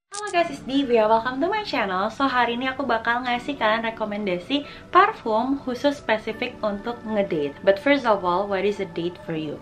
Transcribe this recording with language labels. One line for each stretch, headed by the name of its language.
English: Halo guys, Divya, welcome to my channel.
Indonesian: So hari ini aku bakal ngasih kalian rekomendasi parfum khusus spesifik untuk ngedate.
English: But first of all, what is a date for you?